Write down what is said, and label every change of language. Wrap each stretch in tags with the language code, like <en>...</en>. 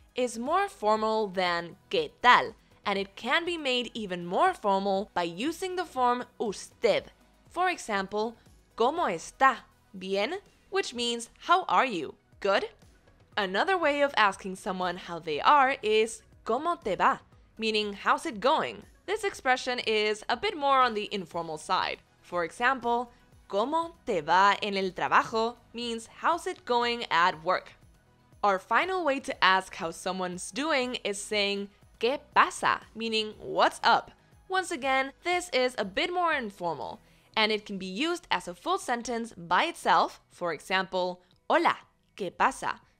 <en>Is more formal than</en> <es>¿qué tal?,</es> <en>and it can be made even more formal by using the form usted. For example,</en> <es>¿cómo está? ¿Bien?</es> <en>Which means, how are you? Good? Another way of asking someone how they are is</en> <es>¿cómo te va?,</es> <en>meaning how's it going? This expression is a bit more on the informal side. For example,</en> <es>¿cómo te va en el trabajo?</es> <en>Means how's it going at work? Our final way to ask how someone's doing is saying</en> <es>¿qué pasa?,</es> <en>meaning what's up? Once again, this is a bit more informal, and it can be used as a full sentence by itself, for example,</en> <es>hola, ¿qué pasa?</es>